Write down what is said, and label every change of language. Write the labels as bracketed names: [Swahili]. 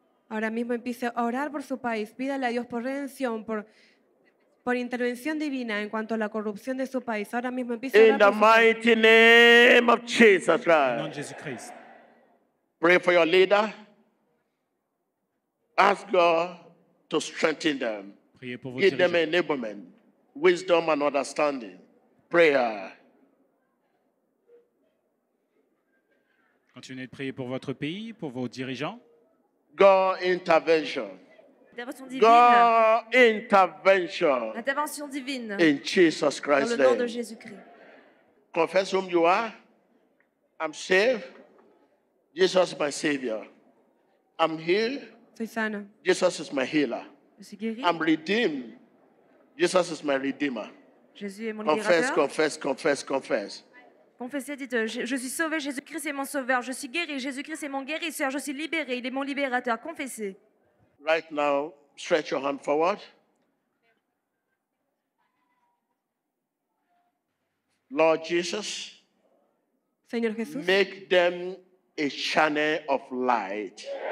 [Spanish] Ahora mismo empiece a orar por su país. Pídale a Dios por redención, por intervención divina en cuanto a la corrupción de su país. Ahora mismo empiece a orar. [English] In the mighty name of Jesus Christ. Pray for your leader. Ask God to strengthen them. Give them enablement, wisdom, and understanding. Prayer. [French] Continuez de prier pour votre pays, pour vos dirigeants. [English] God intervention. God intervention. [French] Intervention divine. [English] In Jesus Christ's [French] name. Dans le nom de Jésus-Christ. [English] Confess whom you are. I'm saved. Jesus is my Savior. I'm healed. Jesus is my healer. I'm redeemed. Jesus is my Redeemer. [French] Jésus est mon [English] confess, [French] libérateur. [English] Confess. [French] Confessez, dites, je suis sauvé, Jésus-Christ est mon sauveur. Je suis guéri, Jésus-Christ est mon guérisseur. Je suis libéré, il est mon libérateur. Confessez. [English] Right now, stretch your hand forward. Lord Jesus, [French] Seigneur Jésus, [English] make them a channel of light.